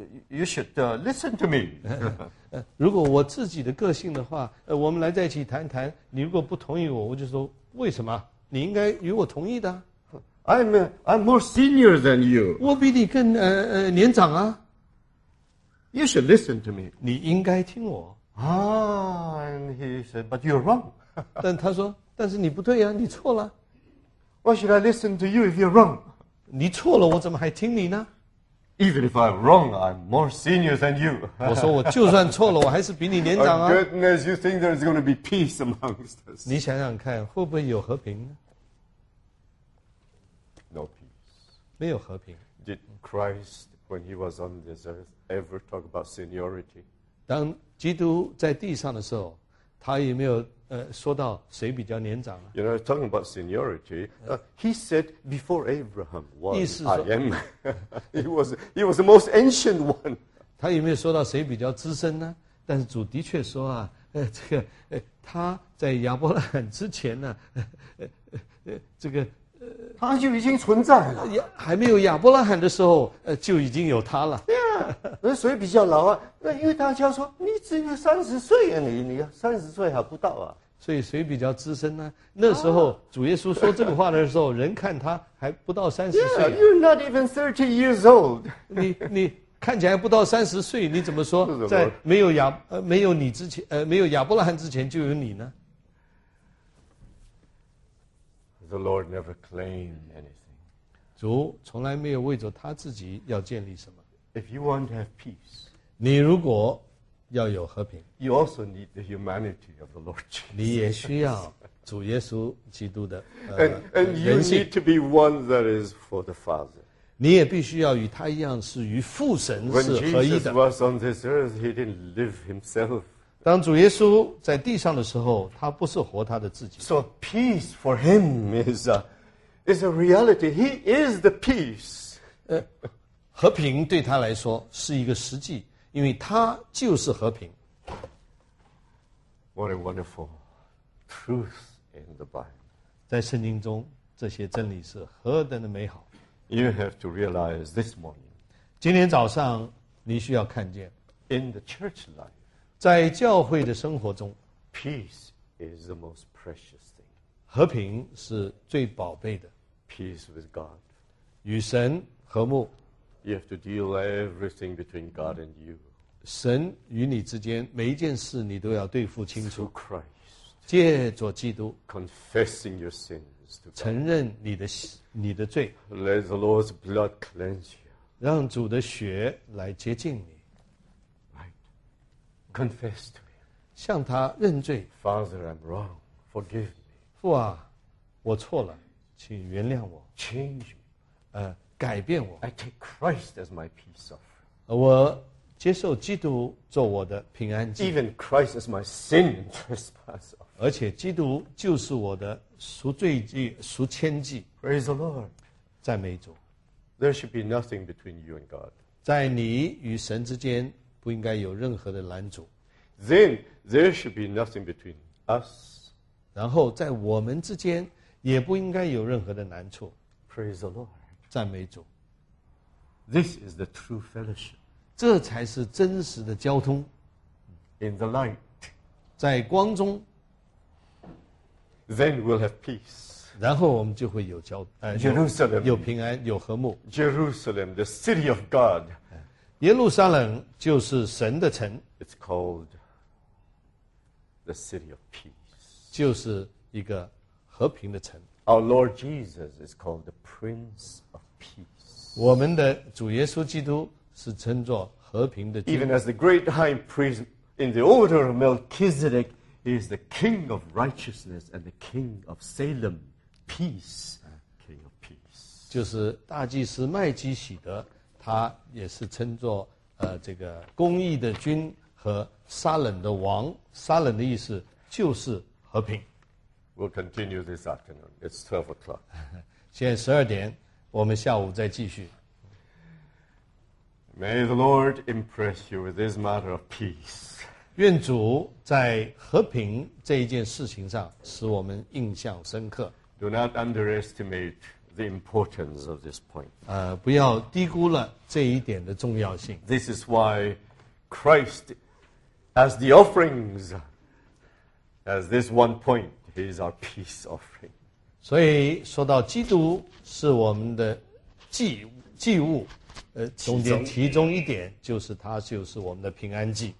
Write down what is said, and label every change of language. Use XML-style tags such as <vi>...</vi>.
<en>You should listen to me."</en> <zh>如果我自己的个性的话，我们来在一起谈谈。你如果不同意我，我就说为什么？你应该与我同意的。</zh> <en>I'm more senior than you.</en> <zh>我比你更年长啊。</zh> <en>You should listen to me.</en> <zh>你应该听我。</zh> <en>And he said, "But you're wrong."</en> <zh>但他说。但是你不对啊，你错了。</zh> <en>Why should I listen to you if you're wrong?</en> <zh>你错了，我怎么还听你呢？</zh> <en>Even if I'm wrong, I'm more senior than you.</en> <zh>我说我就算错了，我还是比你年长啊。</zh> <en>Goodness, you think there's going to be peace amongst us?</en> <zh>你想想看，会不会有和平呢</zh> <en>？No peace.</en> <zh>没有和平。</zh> <en>Did Christ, when he was on this earth, ever talk about seniority?</en> <zh>当基督在地上的时候，他有没有说到谁比较年长啊</zh> <en>？You know, talking about seniority,、he said before Abraham was I am. he was the most ancient one.</en> <zh>他有没有说到谁比较资深呢？但是主的确说啊，他在亚伯拉罕之前呢、啊这个他就已经存在了。还没有亚伯拉罕的时候，就已经有他了。那谁比较老啊？那因为大家说你只有三十岁啊，你三十岁还不到啊。所以谁比较资深呢？那时候主耶稣说这个话的时候，人看他还不到三十岁。</zh> <en>Yeah, you're not even 30 years old.</en> <zh>你看起来不到三十岁，你怎么说在没有亚伯拉罕之前就有你呢</zh> <en>？The Lord never claimed anything.</en> <zh>主从来没有为着他自己要建立什么。</zh> <en>If you want to have peace,</en> <zh>你如果要有和平</zh> <en>you also need the humanity of the Lord Jesus.</en> <zh>你也需要主耶稣基督的</zh> <en>And you need to be one that is for the Father.</en> <zh>你也必须要与他一样是与父神是合一的</zh> <en>When Jesus was on this earth, he didn't live himself.</en> <zh>当主耶稣在地上的时候，他不是活他的自己。</zh> <en>So peace for him is a reality. He is the peace.</en> <zh>和平对他来说是一个实际，因为他就是和平。</zh> <en>What a wonderful truth in the Bible.</en> <zh>在圣经中，这些真理是何等的美好。</zh> <en>You have to realize this morning.</en> <zh>今天早上你需要看见。</zh> <en>In the church life.</en> <zh>在教会的生活中。</zh> <en>Peace is the most precious thing.</en> <zh>和平是最宝贝的。</zh> <en>Peace with God.</en> <zh>与神和睦。</zh> <en>You have to deal everything between God and you.</en> <zh>神与你之间每一件事你都要对付清楚。</zh> <en>Through Christ.</en> <zh>借着基督。</zh> <en>Confessing your sins to God.</en> <zh>承认你的罪。</zh> <en>Let the Lord's blood cleanse you.</en> <zh>让主的血来洁净你。</zh> <en>Right. Confess to him.</en> <zh>向他认罪。</zh> <en>Father, I'm wrong. Forgive me.</en> <zh>父啊，我错了，请原谅我。</zh> <en>Change me.</en> <zh>改变我。</zh> <en>I take Christ as my peace offering.</en> <zh>我接受基督做我的平安祭。</zh> <en>Even Christ as my sin and trespass offering.</en> <zh>而且基督就是我的赎罪祭、赎愆祭。</zh> <en>Praise the Lord.</en> <zh>赞美主。</zh> <en>There should be nothing between you and God.</en> <zh>在你与神之间不应该有任何的拦阻。</zh> <en>Then there should be nothing between us.</en> <zh>然后在我们之间也不应该有任何的难处。</zh> <en>Praise the Lord.</en> <zh>赞美主。</zh> <en>This is the true fellowship.</en> <zh>这才是真实的交通。</zh> <en>In the light.</en> <zh>在光中。</zh> <en>Then we'll have peace.</en> <zh>然后我们就会有交</zh> <en>Jerusalem.</en> <zh>有平安有和睦。</zh> <en>Jerusalem, the city of God.</en> <zh>耶路撒冷就是神的城。</zh> <en>It's called the city of peace.</en> <zh>就是一个和平的城。</zh> <en>Our Lord Jesus is called the Prince of Peace.</en> <zh>我们的主耶稣基督是称作和平的君。</zh> <en>Even as the great high priest in the order of Melchizedek, he is the King of Righteousness and the King of Salem. Peace, King of Peace.</en> <zh>就是大祭司麦基洗德，他也是称作这个公义的君和撒冷的王。撒冷的意思就是和平。</zh> <en>We'll continue this afternoon. It's 12 o'clock.</en> <zh>现在12点，我们下午再继续。</zh> <en>May the Lord impress you with this matter of peace.</en> <zh>愿主在和平这一件事情上使我们印象深刻。</zh> <en>Do not underestimate the importance of this point.</en> <zh>不要低估了这一点的重要性。</zh> <en>This is why Christ, as the offerings, as this one point,Is our peace offering.</en> <zh>所以说到基督是我们的祭物，中间其中一点就是它就是我们的平安祭。</zh>